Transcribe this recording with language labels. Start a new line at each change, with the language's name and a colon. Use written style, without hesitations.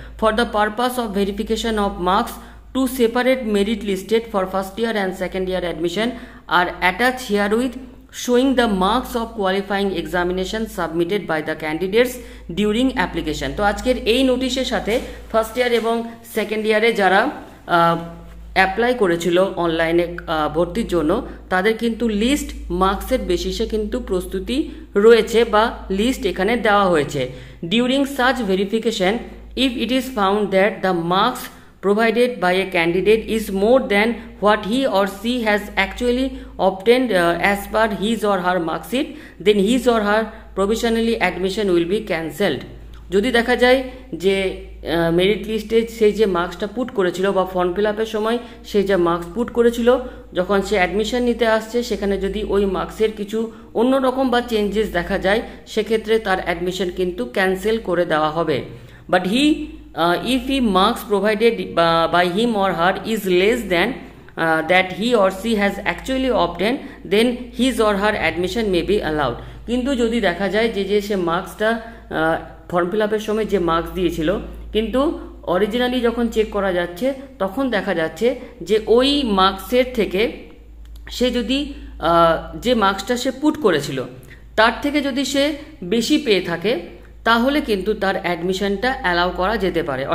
English: For the purpose of verification of marks to separate merit listed for first year and second year admission are attach here with showing the marks of qualifying examination submitted by the candidates during application.
Bangla: তো আজকের এই নোটিশের সাথে first year এবং second ইয়ারে যারা apply করেছিল অনলাইনে ভর্তির জন্য, তাদের কিন্তু লিস্ট মার্কসের বেসিসে কিন্তু প্রস্তুতি রয়েছে বা লিস্ট এখানে দেওয়া হয়েছে।
English: During such verification if it is found that the marks provided by a candidate is more than what he or she has actually obtained as per his or her mark sheet, then his or her provisionally admission will be cancelled.
Bangla: যদি দেখা যায় যে merit লিস্টে সেই যে মার্কসটা put করেছিল বা form fill আপের সময় সে যে মার্কস পুট করেছিল, যখন সে অ্যাডমিশন নিতে আসছে সেখানে যদি ওই মার্কসের কিছু অন্যরকম বা চেঞ্জেস দেখা যায়, সেক্ষেত্রে তার অ্যাডমিশন কিন্তু ক্যান্সেল করে দেওয়া হবে।
English: But he if he marks provided by him or her is less than that he or she has actually obtained, then his or her admission may be allowed.
Bangla: কিন্তু যদি দেখা যায় যে যে সে মার্কসটা ফর্ম ফিল আপের সময় যে মার্কস দিয়েছিল, কিন্তু অরিজিনালি যখন চেক করা যাচ্ছে তখন দেখা যাচ্ছে যে ওই মার্কসের থেকে সে যদি যে মার্কসটা সে পুট করেছিল তার থেকে যদি সে বেশি পেয়ে থাকে তাহলে কিন্তু তার অ্যাডমিশনটা অ্যালাউ করা যেতে পারে।